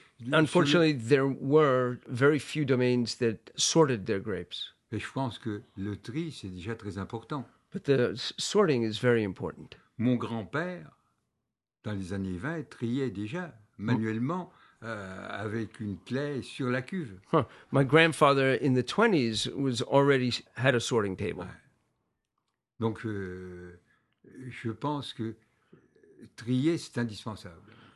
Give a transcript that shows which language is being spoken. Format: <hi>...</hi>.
<en>Unfortunately, there were very few domains that sorted their grapes.</en> <fr>Mais je pense que le tri, c'est déjà très important.</fr> <en>But the sorting is very important.</en> <fr>Mon grand-père, dans les années 20, triait déjà manuellement avec une claie sur la cuve.</fr> <en>My grandfather in the 20s was already had a sorting table.</en> <fr>Ouais. Donc je pense que trier, c'est indispensable.</fr>